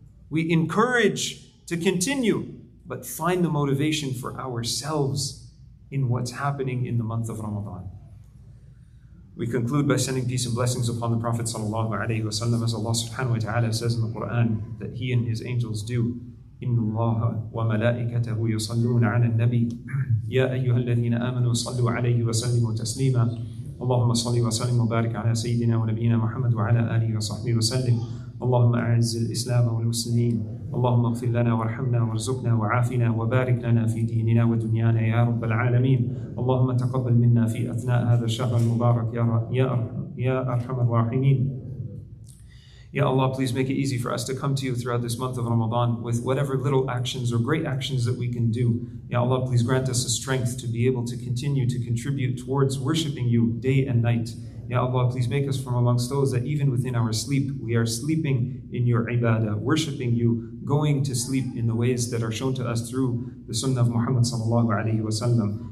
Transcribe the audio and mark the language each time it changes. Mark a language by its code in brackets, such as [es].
[en] We encourage to continue, but find the motivation for ourselves in what's happening in the month of Ramadan. We conclude by sending peace and blessings upon the Prophet sallallahu alayhi wa sallam, as Allah subhanahu wa ta'ala says in the Quran that He and His angels do. [ar] إن الله وملائكته يصلون على النبي يا أيها الذين آمنوا صلوا عليه وسلموا تسليما اللهم صل وسلم وبارك على سيدنا ونبينا محمد وعلى آله وصحبه وسلم اللهم أعز الإسلام والمسلمين اللهم اغفر لنا وارحمنا وارزقنا وعافنا وبارك لنا في ديننا ودنيانا يا رب العالمين اللهم تقبل منا في أثناء هذا الشهر المبارك يا رب [en] Ya Arhamar Rahimin. Ya Allah, please make it easy for us to come to you throughout this month of Ramadan with whatever little actions or great actions that we can do. Ya Allah, please grant us the strength to be able to continue to contribute towards worshipping you day and night. Ya Allah, please make us from amongst those that even within our sleep, we are sleeping in your ibadah, worshipping you, going to sleep in the ways that are shown to us through the sunnah of Muhammad sallallahu alayhi wa sallam.